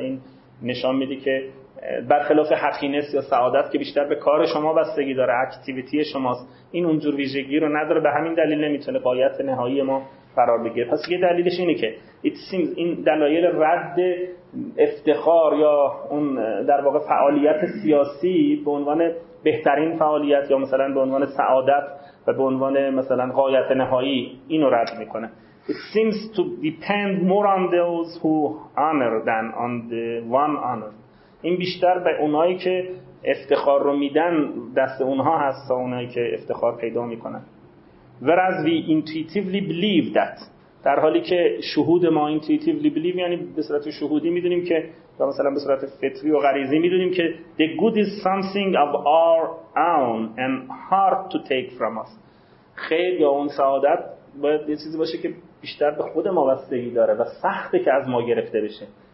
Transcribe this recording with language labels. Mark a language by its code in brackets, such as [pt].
[fa] و این نشان میده که برخلاف هپینس یا سعادت که بیشتر به کار شما بستگی داره، اکتیویتی شماست، این اونجور ویژگی رو نداره، به همین دلیل نمیتونه غایت نهایی ما قرار بگیره. پس یه دلیلش اینه که [en] it seems [fa] این دلایل رد افتخار یا اون در واقع فعالیت سیاسی به عنوان بهترین فعالیت یا مثلا به عنوان سعادت و به عنوان مثلا غایت نهایی اینو رد میکنه. [en] It seems to depend more on those who honor than on the one honored. [fa] این بیشتر به اونایی که افتخار رو میدن دست اونها هست تا اونایی که افتخار پیدا میکنن. [en] Whereas we intuitively believe that. [fa] در حالی که شهود ما [en] intuitively believe [fa] یعنی به صورت شهودی میدونیم که یا مثلا به صورت فطری و غریزی میدونیم که [en] the good is something of our own and hard to take from us. [fa] خیر یا اون سعادت باید یه چیزی باشه که بیشتر به خود ما وابستگی داره و سخته که از ما گرفته بشه.